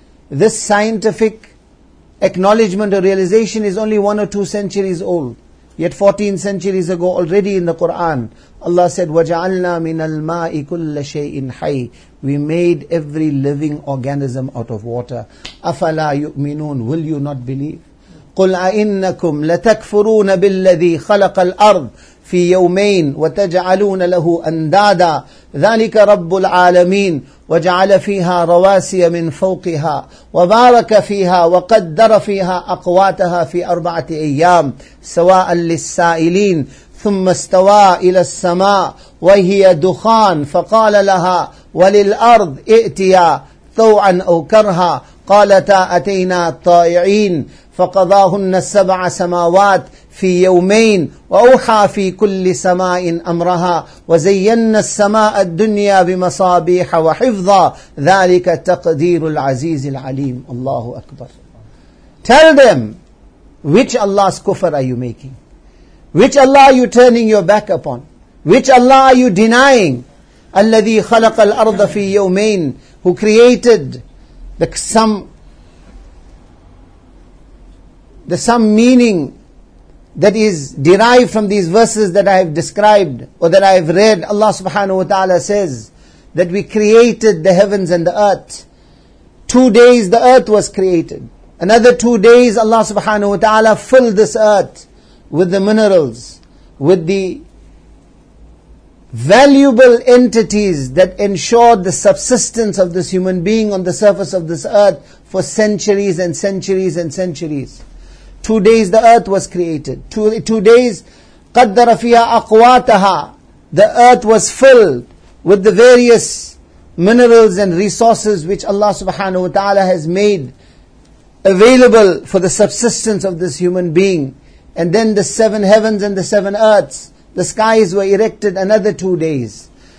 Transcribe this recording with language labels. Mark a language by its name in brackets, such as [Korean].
[English] This scientific acknowledgement or realization is only 1 or 2 centuries old. Yet 14 centuries ago, already in the Quran, Allah said, [Arabic] وَجَعَلْنَا مِنَ الْمَاءِ كُلَّ شَيْءٍ حَيٍّ. [English] We made every living organism out of water. [Arabic] أَفَلَا يُؤْمِنُونَ. [English] Will you not believe? [Arabic] قُلْ أَإِنَّكُمْ لَتَكْفُرُونَ بِالَّذِي خَلَقَ الْأَرْضِ فِي يَوْمَيْنِ وَتَجْعَلُونَ لَهُ أَنْدَادًا ذَلِكَ رَبُّ الْعَالَمِينَ وَجَعَلَ فِيهَا رَوَاسِيَ مِنْ فَوْقِهَا وَبَارَكَ فِيهَا وَقَدَّرَ فِيهَا أَقْوَاتَهَا فِي 4 أيام سَوَاءً لِلسَّائِلِينَ ثم استوى إلى السماء وهي دخان فقال لها وللأرض ائتيا طوعا أو كرها قالتا أتينا طائعين فقضاهن 7 سماوات في يومين وأوحى في كل سماء أمرها وزينا السماء الدنيا بمصابيح وحفظا ذلك تقدير العزيز العليم. الله أكبر. [English] Tell them, which Allah's kufr are you making? Which Allah are you turning your back upon? Which Allah are you denying? [Arabic] الَّذِي خَلَقَ الْأَرْضَ فِي يَوْمَيْنِ. [English] Who created the some meaning that is derived from these verses that I have described or that I have read. Allah subhanahu wa ta'ala says that we created the heavens and the earth. 2 days the earth was created. Another 2 days Allah subhanahu wa ta'ala filled this earth with the minerals, with the valuable entities that ensured the subsistence of this human being on the surface of this earth for centuries and centuries and centuries. 2 days the earth was created. Two days, [Arabic] قَدَّرَ فِيهَا أَقْوَاتَهَا. [English] The earth was filled with the various minerals and resources which Allah subhanahu wa ta'ala has made available for the subsistence of this human being. And then the seven heavens and the seven earths, the skies were erected another 2 days.